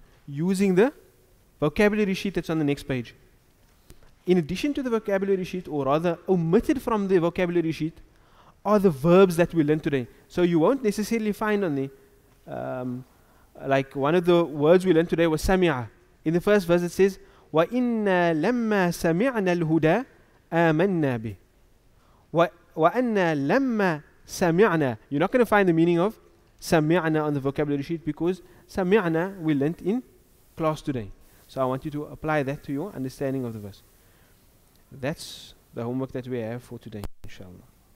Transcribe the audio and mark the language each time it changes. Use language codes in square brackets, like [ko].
[en] Using the vocabulary sheet that's on the next page. In addition to the vocabulary sheet, or rather omitted from the vocabulary sheet, are the verbs that we learned today. So you won't necessarily find on there, like one of the words we learned today was sami'a. In the first verse it says, [ar] وَإِنَّا لَمَّا سَمِعْنَا الْهُدَى آمَنَّا بِهِ وَأَنَّا لَمَّا سَمِعْنَا. [en] You're not going to find the meaning of سَمِعْنَا on the vocabulary sheet because سَمِعْنَا we learnt in class today. So I want you to apply that to your understanding of the verse. That's the homework that we have for today, inshallah.